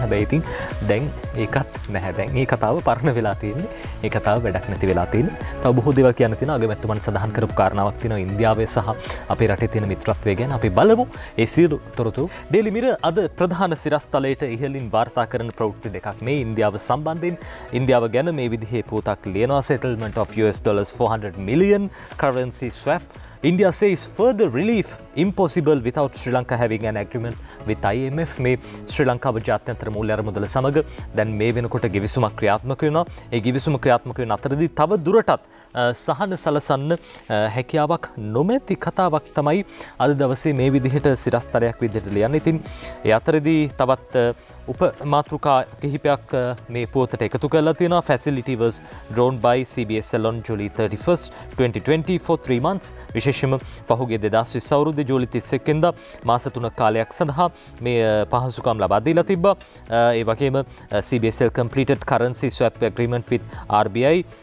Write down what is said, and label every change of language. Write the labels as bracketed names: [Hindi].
[Sinhala] හැබැයි ඉතින් දැන් ඒකත් නැහැ. දැන් මේ කතාව පරණ වෙලා තියෙන්නේ. මේ කතාව වැඩක් නැති වෙලා තියෙන්නේ. තව බොහෝ දේවල් කියන්න තියෙනවා. අගමැතිතුමන් සඳහන් කරපු කාරණාවක් තියෙනවා ඉන්දියාවේ සහ අපේ රටේ තියෙන මිත්‍රත්වය ගැන අපි බලමු. ඒ සියලු තොරතුරු ඩේලි මිර අද ප්‍රධාන සිරස්තලයට ඉහළින් වාර්තා කරන ප්‍රවෘත්ති දෙකක් මේ ඉන්දියාව සම්බන්ධයෙන්. ඉන්දියාව ගැන මේ විදිහේ පොතක් ලියනවා [English] settlement of US dollars 400 million currency swap. India says further relief impossible without Sri Lanka having an agreement with IMF. [Sinhala] මේ ශ්‍රී ලංකාව ජාත්‍යන්තර මූල්‍ය අරමුදල සමග දැන් මේ වෙනකොට ගිවිසුමක් ක්‍රියාත්මක වෙනවා. ඒ ගිවිසුම ක්‍රියාත්මක වෙන අතරදී තව දුරටත් සහන සලසන්න හැකියාවක් නොමැති කතාවක් තමයි අද දවසේ මේ විදිහට සිරස්තරයක් විදිහට ලියන්නේ. ඉතින් ඒ අතරදී තවත් උප මාතෘකා කිහිපයක් මේ පුවතට එකතු කරලා තියෙනවා. [English] Facility was drawn by CBS on July 31st, 2020 for 3 months. [Sinhala] විශේෂම පහුගිය 2020 අවුරුද්දේ ජූලි 31 වෙනිදා මාස 3 කාලයක් සඳහා මේ පහසුකම් ලබා දීලා තිබ්බා. [English] ඒ වගේම CBS completed currency swap agreement with RBI.